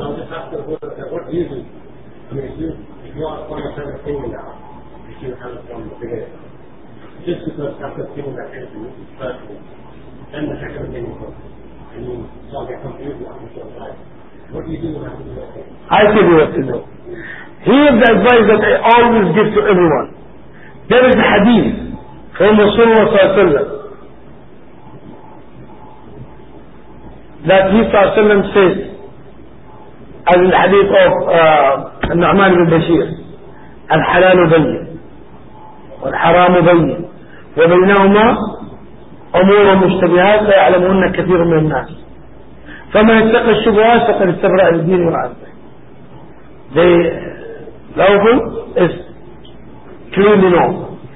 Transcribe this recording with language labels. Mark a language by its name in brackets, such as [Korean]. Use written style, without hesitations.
[English] I'm just asking what reason, I mean, if you are from a certain opinion now, you should have a strong opinion. Just because that's the opinion that came to you, it's personal, then the second opinion comes. I mean, so I'll get confused now, I'm sure, right? What do you do when I have to do that? I tell you what to do. Here's the advice that I always give to everyone. There is a hadith from Rasulullah صلى الله عليه وسلم that he [Arabic] صلى الله عليه وسلم [English] says, as in the hadith of Nu'man ibn Bashir, [Arabic] الحلال بين والحرام بين وبينهما أمور مشتبهات لا يعلمهن كثير من الناس فمن اتقى الشبهات فقد استبرأ للدين وعزه. [English] The lawful is clearly known.